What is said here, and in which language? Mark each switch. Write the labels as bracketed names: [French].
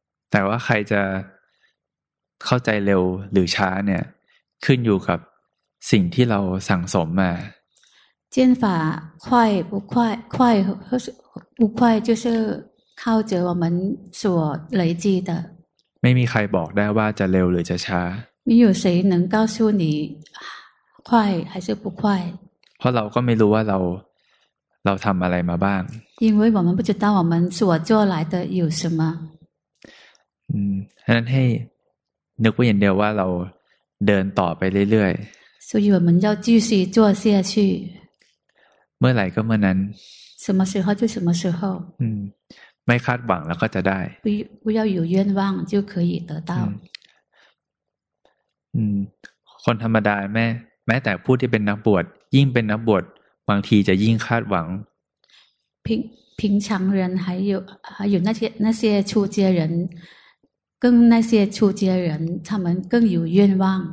[Thai] แต่ว่าใครจะเข้าใจเร็วหรือช้าเนี่ยขึ้นอยู่กับสิ่งที่เราสั่งสมมา [Chinese] 见法快不快快不快就是靠着我们所累积的 [Thai] ไม่มีใครบอกได้ว่าจะเร็วหรือจะช้า [Chinese] 没有谁能告诉你快还是不快 [Thai] เพราะเราก็ไม่รู้ว่าเราทำอะไรมาบ้าง [Chinese] 因为我们不知道我们所做来的有什么 [Thai] ฉะนั้นให้นึกไว้อย่างเดียวว่าเราเดินต่อไปเรื่อย [Chinese] ๆ所以我们要继续做下去 [Thai] เมื่อไหร่ก็เมื่อนั้น [Chinese] 什么时候就什么时候 [Thai] ไม่คาดหวังแล้วก็จะได้ [Chinese] 不要有愿望就可以得到 [Thai] คนธรรมดาแม้แต่ผู้ที่เป็นนักบวชยิ่งเป็นนักบวชบางทีจะยิ่งคาดหวัง [Chinese] 平常人还有那些出家人更那些出家人他们更有愿望